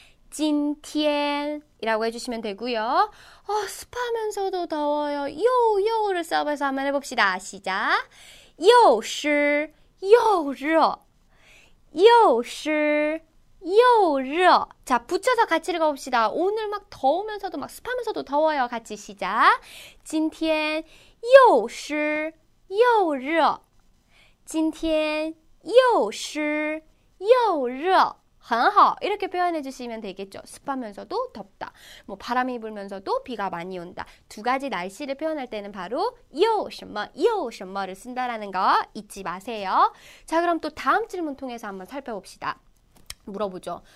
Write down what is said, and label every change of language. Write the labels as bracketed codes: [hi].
[ko] 今天이라고 해주시면 되고요. 습하면서도 더워요. 요요를 써봐서 한번 해봅시다. 시작. 요湿 요热 요湿 요热. 자, 붙여서 같이 읽어봅시다. 오늘 막 더우면서도 막 습하면서도 더워요. 같이 시작. [zh] 今天又湿 又热 今天又湿 又热. 很好, [ko] 이렇게 표현해 주시면 되겠죠. 습하면서도 덥다. 뭐 바람이 불면서도 비가 많이 온다. 두 가지 날씨를 표현할 때는 바로 요什么, 요什么를 쓴다라는 거 잊지 마세요. 자, 그럼 또 다음 질문 통해서 한번 살펴봅시다. 물어보죠.